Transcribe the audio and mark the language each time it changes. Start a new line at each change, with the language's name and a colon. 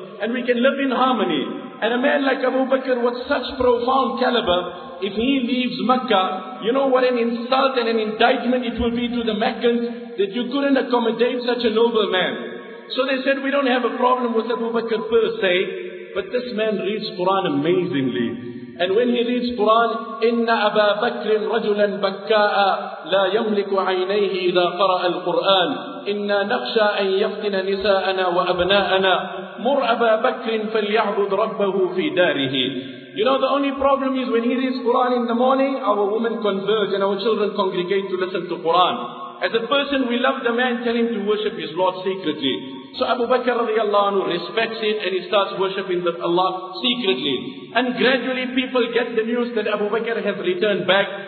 English: And we can live in harmony. And a man like Abu Bakr with such profound caliber, if he leaves Mecca, you know what an insult and an indictment it will be to the Meccans that you couldn't accommodate such a noble man. So they said, we don't have a problem with Abu Bakr per se, but this man reads Quran amazingly. And when he reads Quran,
Arabic: إِنَّ أَبَا بَكْرٍ رَجُلًا بَكَّاءَ لَا يَمْلِكُ عَيْنَيْهِ إِذَا قَرَأَ الْقُرْآنِ إِنَّا نَخْشَى أَنْ يَفْتِنَ نِسَاءَنَا وَأَبْنَاءَنَا مُرْ أَبَا بَكْرٍ فَلْيَعْبُدْ رَبَّهُ فِي دَارِهِ.
English: You know, the only problem is when he reads Quran in the morning, our women converge and our children congregate to listen to Quran. As a person, we love the man, tell him to worship his Lord secretly. So Abu Bakr radiallahu anhu respects it and he starts worshipping that Allah secretly. And gradually people get the news that Abu Bakr has returned back.